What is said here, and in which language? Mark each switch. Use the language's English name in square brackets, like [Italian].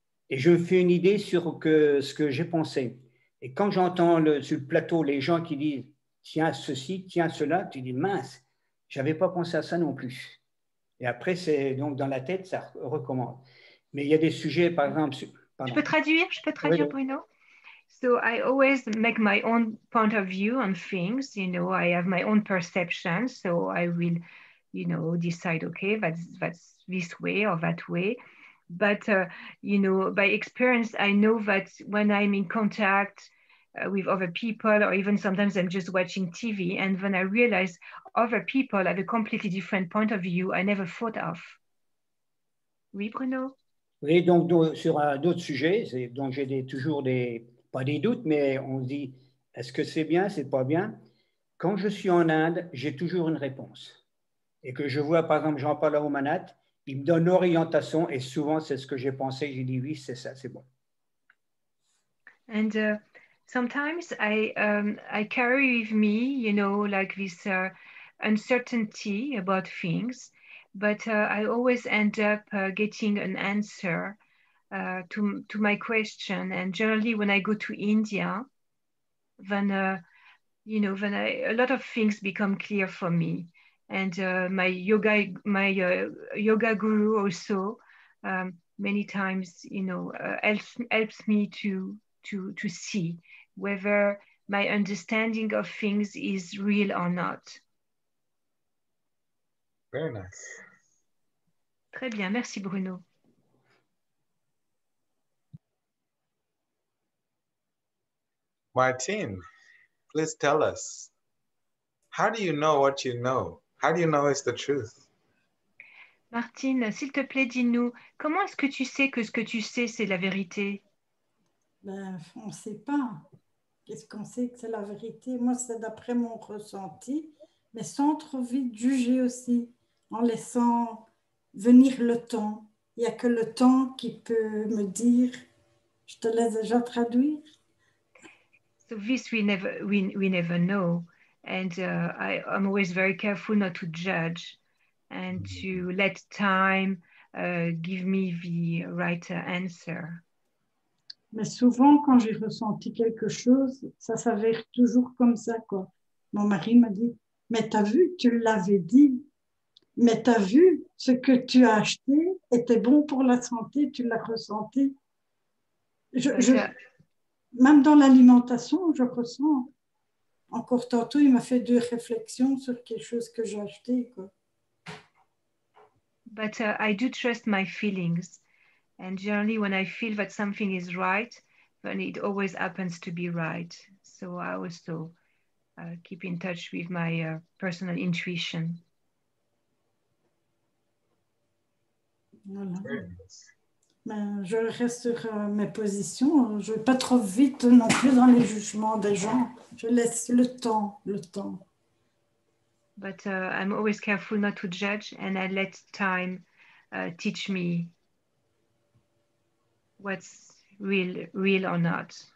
[French] Et je me fais une idée sur ce que j'ai pensé. Et quand j'entends sur le plateau les gens qui disent, tiens ceci, tiens cela, tu dis, mince, je n'avais pas pensé à ça non plus. Et après, c'est donc dans la tête, ça recommande. Mais il y a des sujets, par exemple... Je peux traduire, Bruno? [English] So I always make my own point of view on things, you know, I have my own perception, so I will, you know, decide, okay, that's this way or that way. But, you know, by experience, I know that when I'm in contact with other people, or even sometimes I'm just watching TV, and when I realize other people have a completely different point of view I never thought of. [French] Oui, Bruno? Oui, donc sur d'autres sujets, donc j'ai toujours des, pas des doutes, mais on se dit, est-ce que c'est bien, c'est pas bien? Quand je suis en Inde, j'ai toujours une réponse. Et que je vois, par exemple, j'en parle à Omanath, il me donne l'orientation, et souvent, c'est ce que j'ai pensé, j'ai dit, oui, c'est ça, c'est bon. [English] And sometimes I carry with me, you know, like this uncertainty about things, but I always end up getting an answer to my question. And generally, when I go to India, then you know, when a lot of things become clear for me. And my yoga guru also many times, you know, helps me to see whether my understanding of things is real or not. Very nice. [French] Très bien, merci Bruno. [English] Martin, please tell us, how do you know what you know? How do you know it's the truth? [French] Martin, s'il te plaît, dis-nous, comment est-ce que tu sais que ce que tu sais, c'est la vérité? Ben, on ne sait pas. Qu'est-ce qu'on sait que c'est la vérité? Moi, c'est d'après mon ressenti, mais sans trop vite juger aussi, en laissant venir le temps. Il n'y a que le temps qui peut me dire, je te laisse déjà traduire. So this we never know, and I'm always very careful not to judge, and to let time give me the right answer. Mais souvent, quand j'ai ressenti quelque chose, ça s'avère toujours comme ça, quoi. Mon mari m'a dit, mais t'as vu, tu l'avais dit, mais t'as vu, ce que tu as acheté était bon pour la santé, tu l'as ressenti. Même dans l'alimentation, je ressens. Encore tantôt, il m'a fait deux réflexions sur quelque chose que j'ai acheté, quoi. [English] But I do trust my feelings. And generally, when I feel that something is right, then it always happens to be right. So I also keep in touch with my personal intuition. [French] Voilà. Ben, je reste sur mes positions. Je ne vais pas trop vite non plus dans les jugements des gens. Je laisse le temps, le temps. [English] But I'm always careful not to judge, and I let time teach me what's real or not.